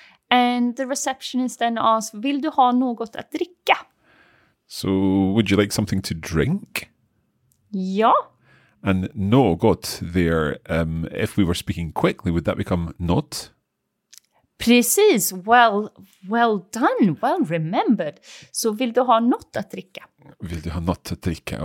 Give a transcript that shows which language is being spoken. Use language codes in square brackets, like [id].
[en] And the receptionist then asks, [sv] vill du ha något att dricka? [en] So, would you like something to drink? [sv] Ja. [en] And något there, if we were speaking quickly, would that become not? Precis. Well done. Well remembered. [sv] So, vill du ha något att dricka? Vill du ha något att dricka?